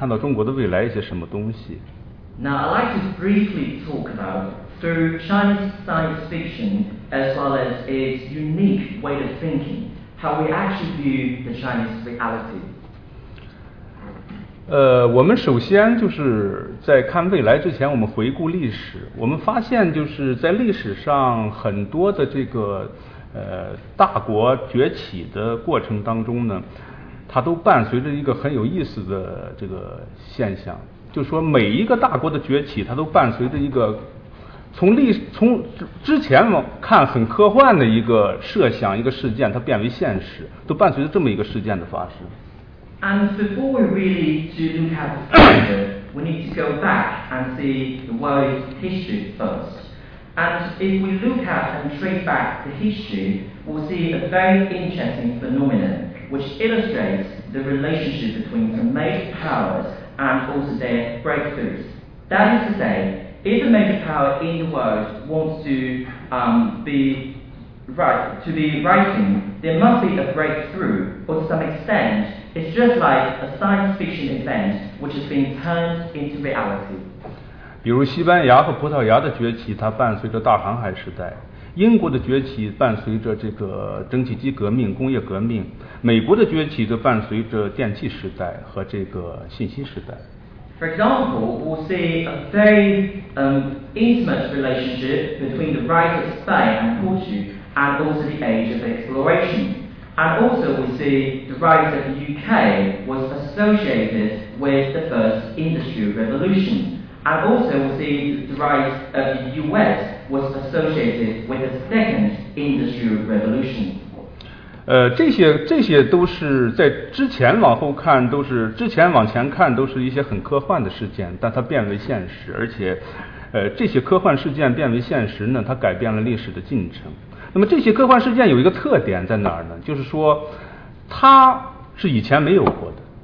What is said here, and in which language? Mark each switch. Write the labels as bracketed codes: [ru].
[zh] 通过中国的科幻小说，或者说通过一种中国科幻小说的思维方式，我们能看到怎样看到中国的未来，就看到中国的未来一些什么东西。 [en] Now I'd like to briefly talk about through Chinese science fiction as well as its unique way of thinking how we actually view the Chinese reality. [zh] 我们首先就是在看未来之前，我们回顾历史，我们发现就是在历史上很多的这个大国崛起的过程当中呢，它都伴随着一个很有意思的这个现象。就说每一个大国的崛起，它都伴随着一个从历从之前看很科幻的一个设想，一个事件，它变为现实，都伴随着这么一个事件的发生。 [en] And before we really do look at the future, we need to go back and see the world's history first. And if we look at and trace back the history, we'll see a very interesting phenomenon which illustrates the relationship between the major powers and also their breakthroughs. That is to say, if the major power in the world wants to, be writing, there must be a breakthrough, or to some extent,It's just like a science fiction event which has been turned into reality. [zh] 比如西班牙和葡萄牙的崛起，它伴随着大航海时代；英国的崛起伴随着这个蒸汽机革命、工业革命；美国的崛起则伴随着电气时代和这个信息时代。 [en] For example, we'll see a very intimate relationship between the rise of Spain and Portugal and also the age of exploration. And also we see the rise of the UK was associated with the first industrial revolution. And also we see the rise of the US was associated with the second industrial revolution. [zh] 这些都是在之前往后看，都是之前往前看都是一些很科幻的事件，但它变为现实，而且这些科幻事件变为现实呢，它改变了历史的进程。那么这些科幻事件有一个特点在哪儿呢？就是说，它是以前没有过的。